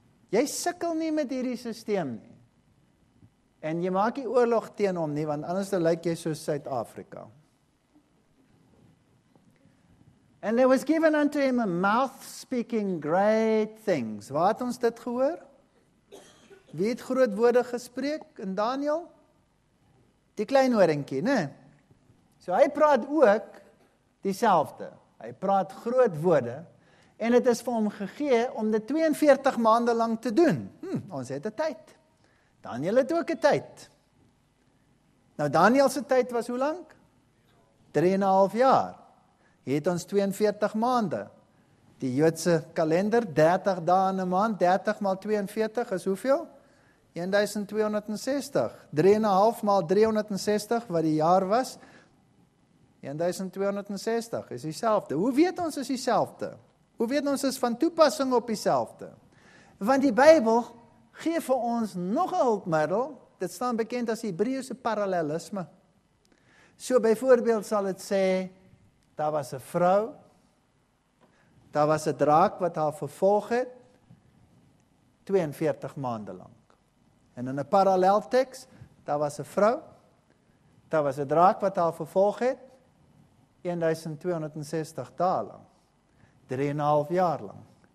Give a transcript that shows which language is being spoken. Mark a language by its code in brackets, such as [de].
[af] Jy sukkel nie met hierdie systeem nie. En jy maak die oorlog teen hom nie, want anders lyk jy soos Suid-Afrika. [en] And there was given unto him a mouth speaking great things. [af] Waar het ons dit gehoor? Wie het groot woorde gespreek in Daniel? Die klein oorinkie, ne? So hy praat ook dieselfde. Hy praat groot woorde. En het is vir hom gegee om dit 42 maande lang te doen. Ons het een tyd. Daniel het ook een tyd. Nou Daniel se tyd was hoe lang? 3,5 jaar. Het ons 42 maande. Die Joodse kalender, 30 dae in 'n maand, 30 maal 42 is hoeveel? 1260. 3,5 maal 360 wat die jaar was, 1260 is dieselfde. Hoe weet ons is dieselfde? Hoe weet ons is van toepassing op dieselfde? Want die Bybel gee vir ons nog 'n hulpmiddel, dit staan bekend as Hebreëse parallelisme. So byvoorbeeld sal het sê, daar was een vrou, daar was een draak wat haar vervolg het, 42 maande lang. En in een parallel tekst, daar was een vrou, daar was een draak wat haar vervolg het, 1260 dae lang, 3,5 jaar lang.